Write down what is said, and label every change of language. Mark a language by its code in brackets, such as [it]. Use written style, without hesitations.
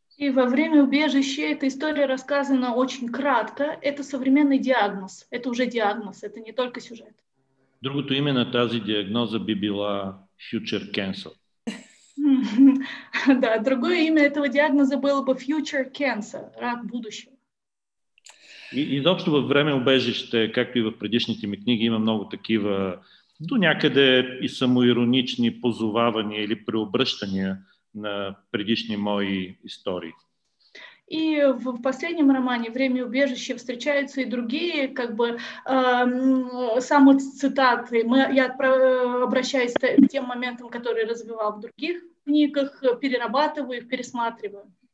[ru] И во время убежища эта история рассказана очень кратко. Это современный диагноз. Это уже диагноз, это не только сюжет. [bg] Другото име на тази диагноза би била future cancer. [ru] Да, другое имя этого диагноза было бы future cancer, рак будущего. [bg] И изобщо във време убежище, както и в предишните ми книги, има много такива до някъде и самоиронични позовавания или преобръщания на предишни мои истории. [ru] И в последнем романе «Время и убежище» встречаются и другие как бы самоцитаты. Я обращаюсь к тем моментам, которые развивал в других книгах, перерабатываю их, пересматриваю.